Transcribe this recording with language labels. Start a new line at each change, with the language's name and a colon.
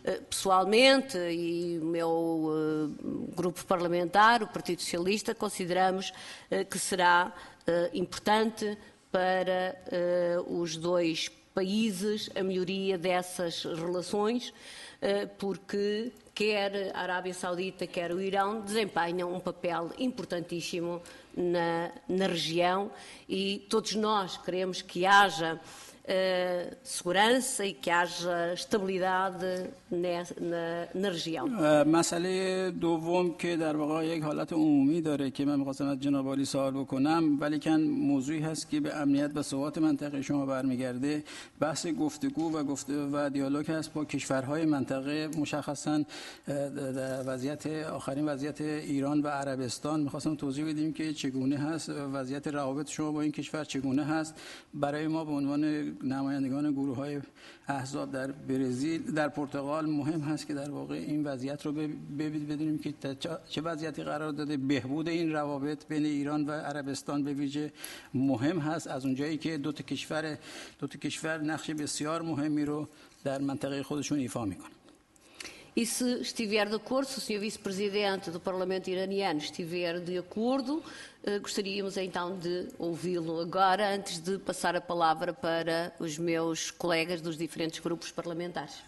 Portuguese: Pessoalmente, e o meu grupo parlamentar, o Partido Socialista, consideramos que será importante para os dois países a melhoria dessas relações, porque quer a Arábia Saudita, quer o Irão, desempenham um papel importantíssimo na região, e todos nós queremos que haja segurança e que haja estabilidade na região.
Persian: مسئله دوم که در واقع یک حالت عمومی داره که من می‌خواستم از جناب عالی سوال بکنم، ولیکن موضوعی هست که به امنیت و ثبات منطقه شما برمیگرده، بحث گفتگو و گفته و دیالوگ هست با کشورهای منطقه، مشخصا در وضعیت آخرین وضعیت ایران و عربستان. می‌خواستم توضیح بدیم که چگونه هست وضعیت روابط شما با این کشور، چگونه هست برای ما به عنوان نمایندگان گروه های احزاب در برزیل، در پرتغال. مهم هست که در واقع این وضعیت رو بدونیم که چه وضعیتی قرار داده. بهبود این روابط بین ایران و عربستان به ویژه مهم هست، از اونجایی که دو تا کشور نقش بسیار مهمی رو در منطقه خودشون ایفا میکنن.
Portuguese: E se estiver de acordo, se o Sr. Vice-Presidente do Parlamento Iraniano estiver de acordo, gostaríamos então de ouvi-lo agora, antes de passar a palavra para os meus colegas dos diferentes grupos parlamentares.